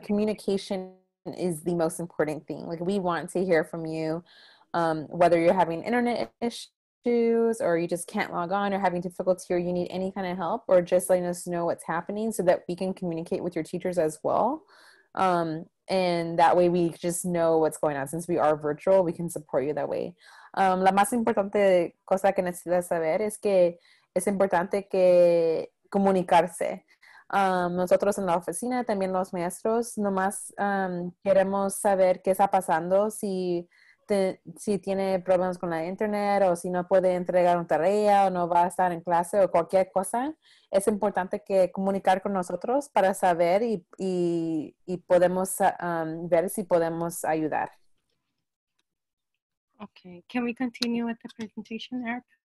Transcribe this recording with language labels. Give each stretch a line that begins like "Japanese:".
English: Like, communication is the most important thing. Like, we want to hear from you, whether you're having internet issues or you just can't log on or having difficulty or you need any kind of help, or just letting us know what's happening so that we can communicate with your teachers as well. And that way we just know what's going on. Since we are virtual, we can support you that way.
Spanish: La más importante cosa que necesita saber es que es importante que comunicarse. Nosotros en la oficina, también los maestros, nomás queremos saber qué está pasando, si tiene problemas con la internet o si no puede entregar una tarea o no va a estar en clase o cualquier cosa. Es importante que comunicar con nosotros para saber y podemos ver si podemos ayudar.
English: Okay, can we continue with the presentation, Eric?